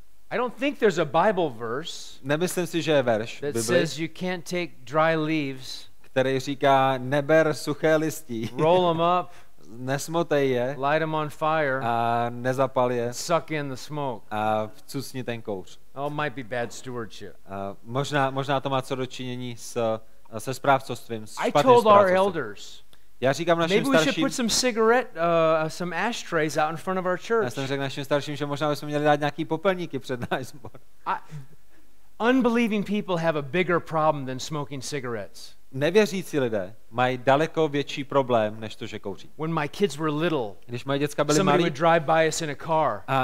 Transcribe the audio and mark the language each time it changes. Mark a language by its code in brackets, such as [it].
[en] I don't think there's a Bible verse. [cs] Nemyslím si, že je verš v Bibli. [en] That says you can't take dry leaves. [cs] Který říká neber suché listí. [en] Roll them up. [cs] Nesmotej je. [en] Light them on fire. [cs] A nezapal je. [en] Suck in the smoke. [cs] A vcucni ten kouř. [en] Oh, might be bad stewardship. [cs] Možná to má co dočinění se správcovstvím. [en] I told our elders. [cs] Já říkám našim starším. [en] Maybe we should put some some ashtrays out in front of our church. [cs] Já jsem řekl našim starším, že možná bychom měli dát nějaký popelníky před náš sbor. [en] Unbelieving people have a bigger problem than smoking cigarettes. [cs] Nevěřící lidé mají daleko větší problém, než to, že kouří. [en] When my kids were little, [cs] když moje děcka byly [en] somebody [cs] malí, [en] would drive by us in a car.